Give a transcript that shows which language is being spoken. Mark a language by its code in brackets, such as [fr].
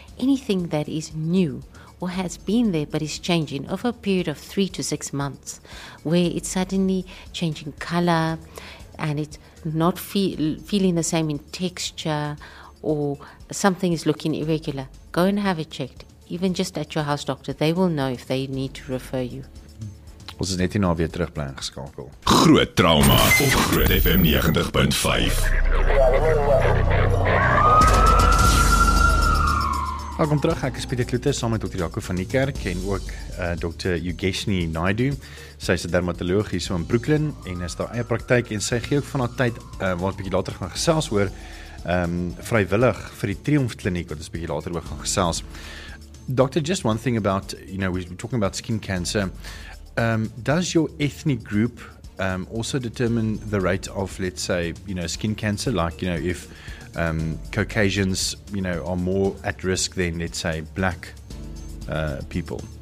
[en] Anything that is new or has been there but is changing over a period of 3 to 6 months, where it's suddenly changing color and it's not feeling the same in texture or something is looking irregular, go and have it checked. Even just at your house doctor, they will know if they need to refer you. [af] Ons is net hier na weer terugplan geskakel. Groot Trauma op Groot FM 90.5. Welkom terug, ek is Pieter Kloete, saam met Dr. Jaco van die Kerk en ook Dr. Yogeshni Naidu. Sy is 'n dermatoloog hier so in Brooklyn en is daar eie praktyk en sy gee ook van haar tyd, waar ons bietjie later gaan gesels oor, vrywillig vir die Triomf Kliniek, wat ons bietjie later oor gaan gesels. [en] Doctor, just one thing about, you know, we're talking about skin cancer. Does your ethnic group also determine the rate of, let's say, you know, skin cancer? Like, you know, if Caucasians, you know, are more at risk than, let's say, black people?